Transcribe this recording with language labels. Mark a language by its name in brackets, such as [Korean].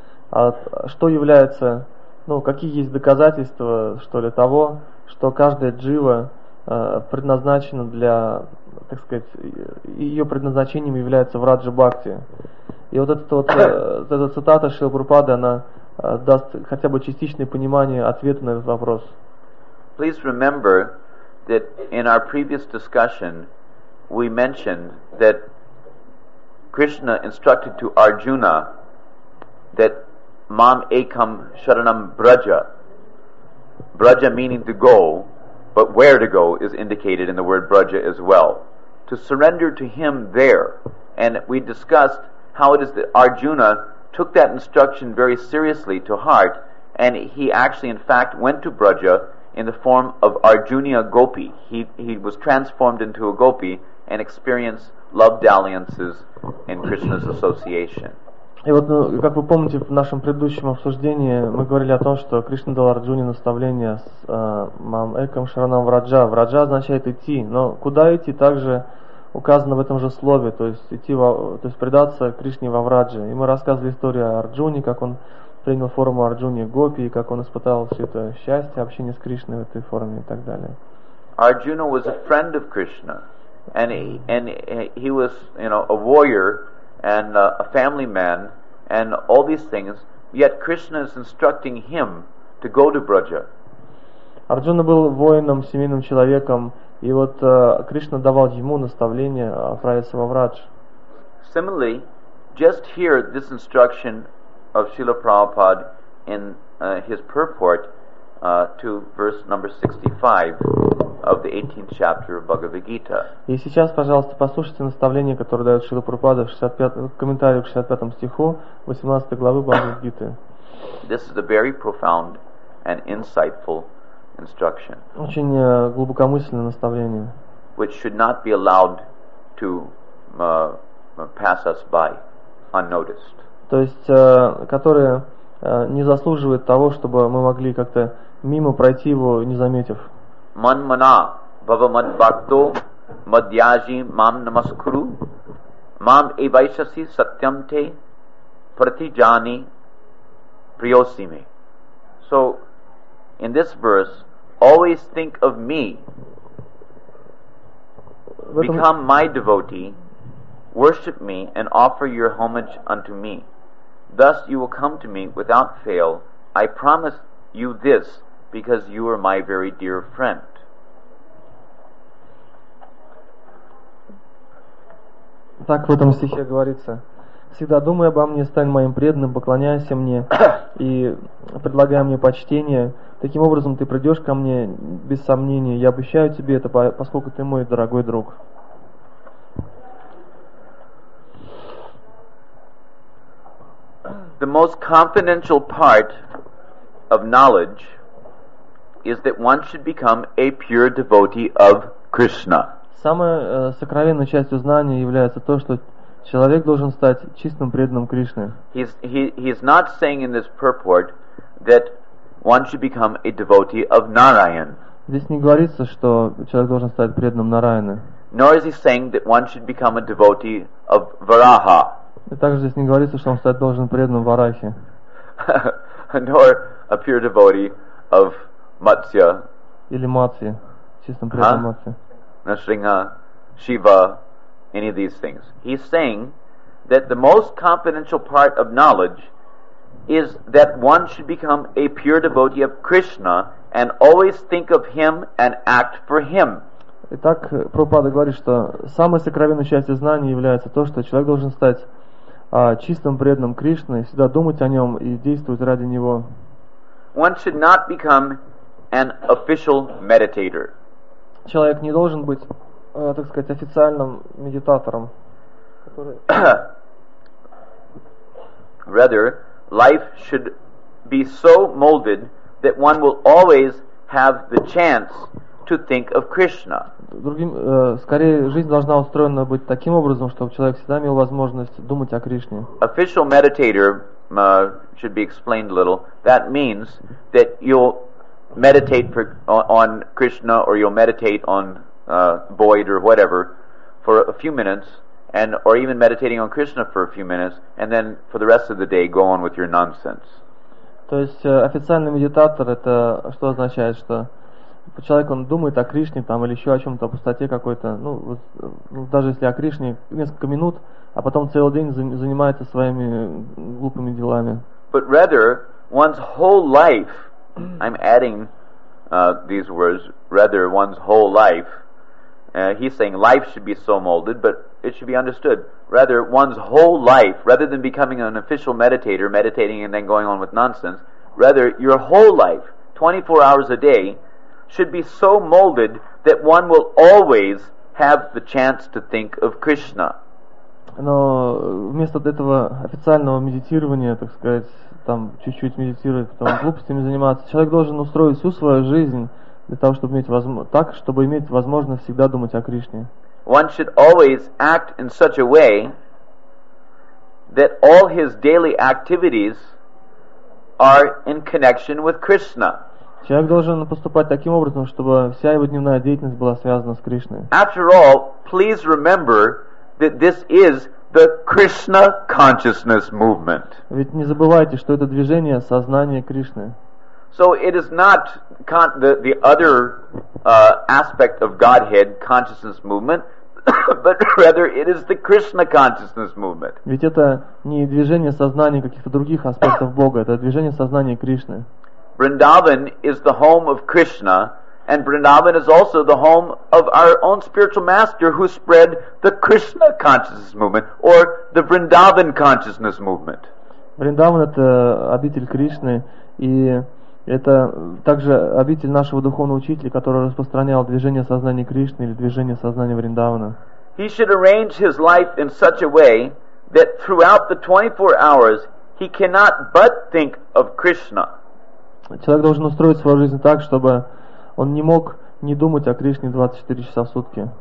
[Russian] А что является, ну какие есть доказательства что ли того, что каждая джива предназначена для, так сказать, ее предназначением является Враджа Бхакти. И вот эта вот эта цитата Шрилы Прабхупады, она даст хотя бы частичное понимание ответа на этот вопрос. [English] Please remember that in our previous discussion we mentioned that Krishna instructed to Arjuna that [Sanskrit] Mam Ekam Sharanam Braja. [English] Braja meaning to go. But where to go is indicated in the word Braja as well. To surrender to him there. And we discussed how it is that Arjuna took that instruction very seriously to heart, and he actually, in fact, went to Braja in the form of Arjuna Gopi. He was transformed into a gopi and experienced love dalliances in Krishna's association. [Russian] И вот, ну, как вы помните, в нашем предыдущем обсуждении мы говорили о том, что Кришна дал Арджуне наставление с [Sanskrit] «Мам Экам Шаранам Враджа». [Russian] «Враджа» означает «идти», но куда идти также указано в этом же слове, то есть идти, то есть предаться Кришне во Врадже. И мы рассказывали историю о Арджуне, как он принял форму Арджуни Гопи, и как он испытал все это счастье, общение с Кришной в этой форме и так далее. [English] Arjuna was a friend of Krishna, and he was, you know, a warrior, and a family man, and all these things, yet Krishna is instructing him to go to Braja. [Russian] Арджуна был воином, семейным человеком, и вот Кришна давал ему наставление отправиться во Врадж. [English] Similarly, just hear this instruction of Srila Prabhupada in his purport, to verse number 65 of the 18th chapter of Bhagavad Gita. [Russian] И сейчас, пожалуйста, послушайте наставление, которое дает Шрила Прабхупада в 65-м комментарии к 65-му стиху 18 главы Бхагавад Гиты. [English] This is a very profound and insightful instruction. [Russian] Очень глубокомысленное наставление. [English] Which should not be allowed to pass us by unnoticed. [Russian] То есть, которое не заслуживает того, чтобы мы могли как-то мимо пройти его, не заметив. [Sanskrit] Манмана бхава мадбхакто мадьяжи мам намаскуру мам эйвайшаси сатьям те пратиджани приосиме. [English] So, in this verse, always think of me. Become my devotee, worship me, and offer your homage unto me. Thus you will come to me without fail. I promise you this because you are my very dear friend. [Russian] Так в этом стихе говорится. Всегда думай обо мне, стань моим преданным, поклоняйся мне и предлагай мне почтение. Таким образом ты придешь ко мне без сомнения. Я обещаю тебе это, поскольку ты мой дорогой друг. [English] The most confidential part of knowledge is that one should become a pure devotee of Krishna. [Russian] Самой сокровенной частью знания является то, что человек должен стать чистым преданным Кришны. [English] He's not saying in this purport that one should become a devotee of Narayan. [Russian] Здесь не говорится, что человек должен стать преданным Нараяны. [English] Nor is he saying that one should become a devotee of Varaha. [Russian] И также здесь не говорится, что он стать должен преданным Варахе. [English] Nor a pure devotee of Matsya. [Russian] Или Матсья, чистым преданным Матсья. [English] Нашринга, Шива. Any of these things. He's saying that the most confidential part of knowledge is that one should become a pure devotee of Krishna and always think of him and act for him. [Russian] Итак, Прабхупада говорит, что самой сокровенной частью знания является то, что человек должен стать чистым преданным Кришны, всегда думать о нем и действовать ради него. [English] One should not become an official meditator. [Russian] Человек не должен быть так сказать, официальным медитатором. [English] Rather, life should be so molded that one will always have the chance to think of Krishna. [Russian] Скорее, жизнь должна устроена быть таким образом, чтобы человек всегда имел возможность думать о Кришне. [English] Official meditator should be explained a little. That means that you'll meditate on Krishna or you'll meditate on void or whatever for a few minutes and or even meditating on Krishna for a few minutes and then for the rest of the day go on with your nonsense. [Russian] То есть официальный медитатор это что означает, что человек он думает о Кришне там или еще о чем-то, о пустоте какой-то, ну даже если о Кришне несколько минут, а потом целый день занимается своими глупыми делами. [English] But rather one's whole life, I'm adding these words, rather one's whole life. He's saying life should be so molded, but it should be understood. Rather, one's whole life, rather than becoming an official meditator, meditating and then going on with nonsense, rather, your whole life, 24 hours a day, should be so molded that one will always have the chance to think of Krishna. [Russian] Но вместо этого официального медитирования, так сказать, там чуть-чуть медитировать, потом глупостями заниматься, человек должен устроить всю свою жизнь для того, чтобы иметь так, чтобы иметь возможность всегда думать о Кришне. [English] One should always act in such a way that all his daily activities are in connection with Krishna. [Russian] Человек должен поступать таким образом, чтобы вся его дневная деятельность была связана с Кришной. [English] After all, please remember that this is the Krishna consciousness movement. [Russian] Ведь не забывайте, что это движение сознания Кришны. [English] So it is not the other aspect of Godhead consciousness movement, but rather it is the Krishna consciousness movement. [Russian] Ведь это не движение сознания каких-то других аспектов Бога, это движение сознания Кришны. [English] Vrindavan is the home of Krishna, and Vrindavan is also the home of our own spiritual master who spread the Krishna consciousness movement, or the Vrindavan consciousness movement. [Russian] Vrindavan — это обитель Кришны, и Это также обитель нашего духовного учителя, который распространял движение сознания Кришны или движение сознания Вриндавана. [English] He should arrange his life in such a way that throughout the 24 hours he cannot but think of Krishna. [Russian] Человек должен устроить свою жизнь так, чтобы он не мог не думать о Кришне 24 часа в сутки.